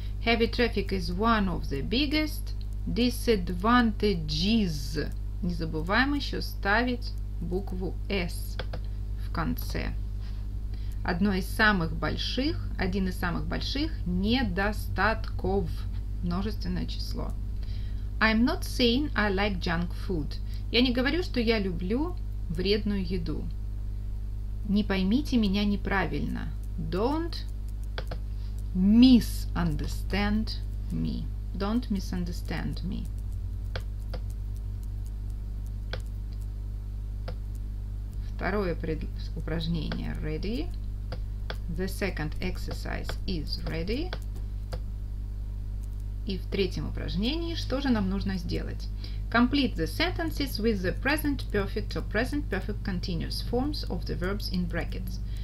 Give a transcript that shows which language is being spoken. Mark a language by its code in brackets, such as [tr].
[en] Heavy traffic is one of the biggest disadvantages. [ru] Не забываем еще ставить букву S в конце. Одно из самых больших, один из самых больших недостатков, множественное число. [en] I'm not saying I like junk food. [ru] Я не говорю, что я люблю вредную еду. Не поймите меня неправильно. [en] Don't misunderstand me. Don't misunderstand me. [ru] Второе упражнение. [en] Ready? The second exercise is ready. [ru] И в третьем упражнении что же нам нужно сделать? [en] Complete the sentences with the present perfect or present perfect continuous forms of the verbs in brackets.